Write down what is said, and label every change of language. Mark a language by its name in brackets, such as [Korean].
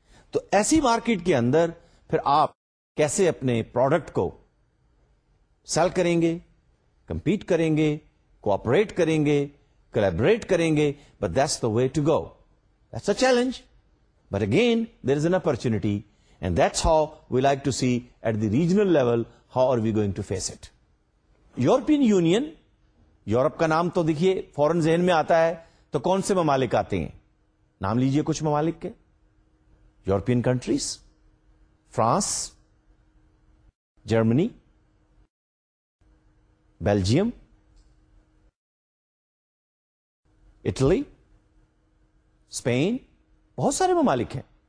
[Urdu] تو ایسی مارکیٹ کے اندر پھر آپ کیسے اپنے پروڈکٹ کو سیل کریں گے, کمپیٹ کریں گے, کوآپریٹ کریں گے, کلیبریٹ کریں گے. [English] But that's the way to go, that's a challenge, but again there is an opportunity, and that's how we like to see at the regional level how are we going to face it. European Union [Urdu] Europe کا نام تو دیکھیے فوراً ذہن میں آتا ہے, تو کون سے ممالک آتے ہیں؟ نام لیجئے کچھ ممالک کے. European countries, France, Germany, Belgium, Italy, Spain, بہت سارے ممالک ہیں.